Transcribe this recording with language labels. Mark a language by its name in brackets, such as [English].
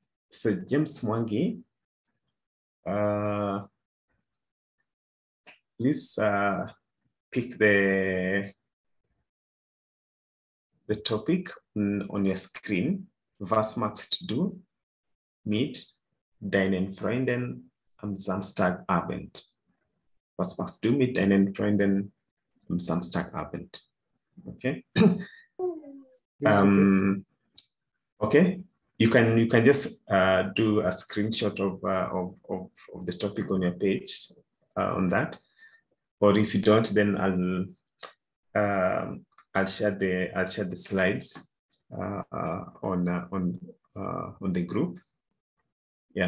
[English] So James Mwangi, please pick the topic on your screen. [German] Was machst du mit deinen Freunden am Samstagabend? Was machst du mit deinen Freunden am Samstagabend? [English] Okay. Okay, you can just do a screenshot of the topic on your page on that, or if you don't, then I'll share the slides on the group. Yeah.